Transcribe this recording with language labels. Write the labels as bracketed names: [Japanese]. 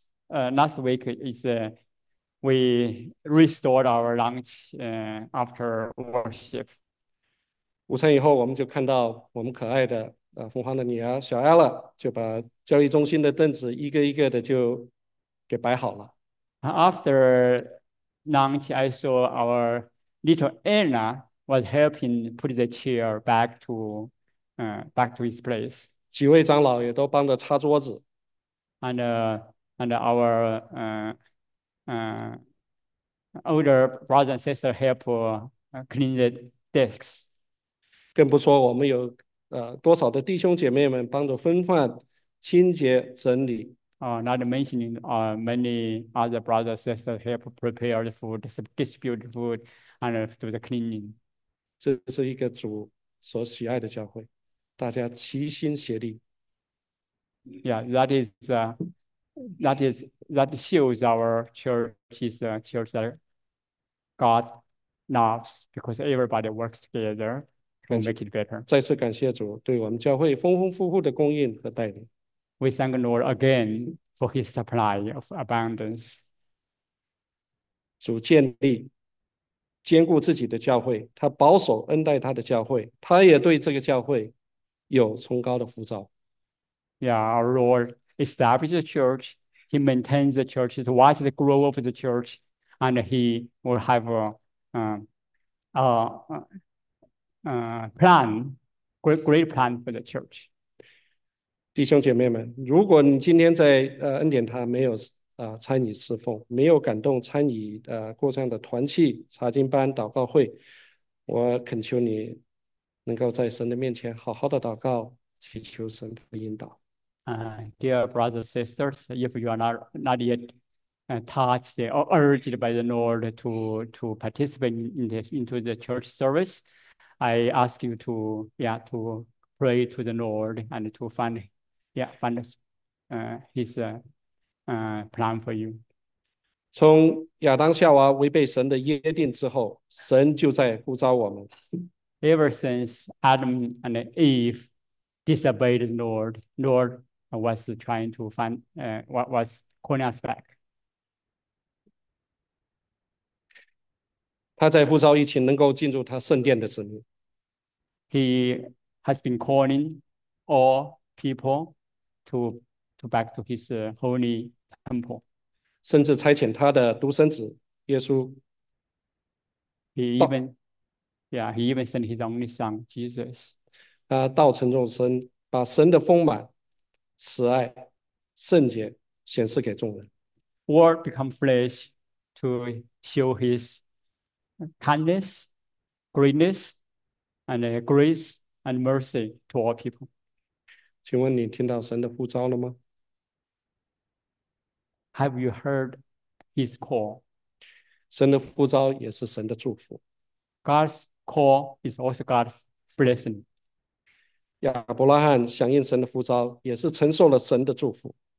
[English] Last week we restored our lunch after worship. [Chinese] 午餐以后，我们就看到我们可爱的疯狂的女儿小艾拉，就把交易中心的凳子一个一个的就给摆好了。 [English] After lunch, I saw our little Anna was helping put the chair back to his place. [Chinese] 几位长老也都帮着擦桌子。 [English] And our older brother and sister help clean the desks. [Chinese] 更不说我们有多少的弟兄姐妹们帮着分发、清洁、整理。 [English] Not mentioning many other brothers and sisters help prepare the food, distribute food, and do the cleaning. [Chinese] 这是一个主所喜爱的教会，大家齐心协力。 [English] Yeah, that shows our church is a church that God loves because everybody works together to [Chinese] 感谢， [English] make it better. [Chinese] 再次感谢主对我们教会丰丰富富的供应和带领。 [English] We thank the Lord again for his supply of abundance. [Chinese] 主建立、坚固自己的教会，他保守恩待他的教会，他也对这个教会有崇高的呼召。 [English] Yeah, our Lord established the church, he maintains the church, to watch the growth of the church, and he will have a plan, great plan for the church. [Chinese] 弟兄姐妹们，如果你今天在恩典堂没有参与侍奉，没有感动参与过这样的团契、查经班、祷告会，我恳求你能够在神的面前好好的祷告，祈求神的引导。 [English] Dear brothers, sisters, if you are not yet touched or urged by the Lord to participate into the church service, I ask you to, yeah, to pray to the Lord and to find, yeah, find, His, plan for you. [Chinese] 从亚当夏娃违背神的约定之后，神就在呼召我们。 [English] Ever since Adam and Eve disobeyed the Lord, Lord was trying to find, was calling us back. [Chinese] 他在呼召一群能够进入他圣殿的子民。 [English] He has been calling all people to back to his holy temple. [Chinese] 甚至差遣他的独生子耶稣 [English] He even sent his only son, Jesus. [Chinese] 道成肉身，把神的丰满、慈爱、圣洁显示给众人。 [English] Word become flesh to show his kindness, greatness, and grace and mercy to all people. [Chinese] 请问你听到神的呼召了吗？ [English] Have you heard his call? [Chinese] 神的呼召也是神的祝福。 [English] God's call is also God's blessing. [Chinese] 亚伯拉罕响应神的呼召，也是承受了神的祝福。